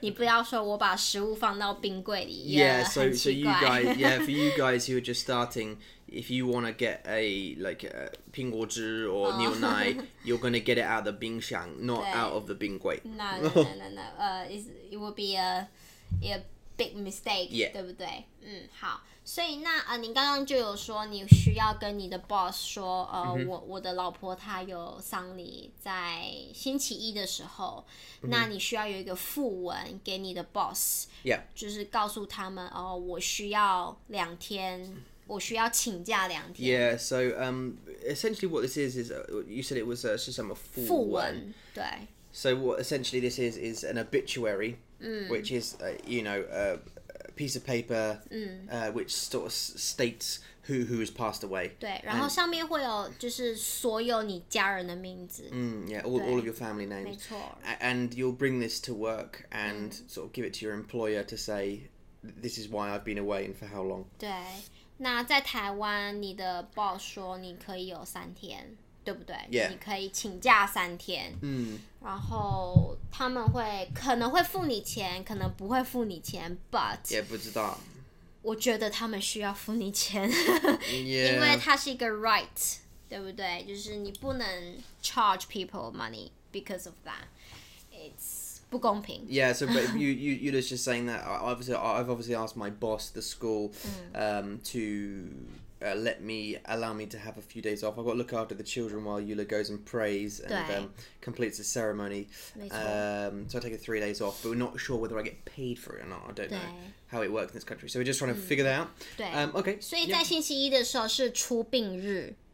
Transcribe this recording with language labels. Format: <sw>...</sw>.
<zh>你不要说我把食物放到冰柜里。</zh> <en>Yeah, so you guys, yeah, for you guys who are just starting, if you want to get a, like, 苹果汁 or 牛奶, you're going to get it out of the 冰箱, not out of the 冰柜. No. It will be a big mistake, yeah.</en> <zh>对不对？好。所以那你刚刚就有说你需要跟你的 boss 说</zh> <en>mm-hmm.</en> <zh>我的老婆她有丧礼在星期一的时候、</zh> <en>mm-hmm.</en> <zh>那你需要有一个附文给你的 boss、</zh> <en>yeah.</en> <zh>就是告诉他们我需要两天我需要请假两天</zh> <en>Yeah, so essentially what this is you said it was</en> <zh>是什么附文对</zh> <en>So what essentially this is an obituary、 mm. which is you know piece of paper which sort of states who has passed away.</en> <zh>对然后上面会有就是所有你家人的名字。</zh> <en>Yeah, all of your family names.</en> <zh>没错。</zh> <en>And you'll bring this to work and sort of give it to your employer to say, this is why I've been away and for how long.</en> <zh>对那在台湾你的 boss 说你可以有三天对不对</zh> <en>Yeah.</en> <zh>你可以请假三天。然后他们会可能会付你钱可能不会付你钱</zh> <en>but</en> <zh>也不知道我觉得他们需要付你钱、</zh> <en>yeah.</en> <zh>因为它是一个 right 对不对就是你不能</zh> <en>charge people money because of that it's</en> <zh>不公平</zh> <en>yeah so but you just saying that I've obviously asked my boss the school to allow me to have a few days off. I've got to look after the children while Yula goes and prays and completes the ceremony. So I take 3 days off, but we're not sure whether I get paid for it or not. I don't know how it works in this country. So we're just trying to figure that out. Okay.</en> <zh>所以在星期一的时候是出病日。</zh>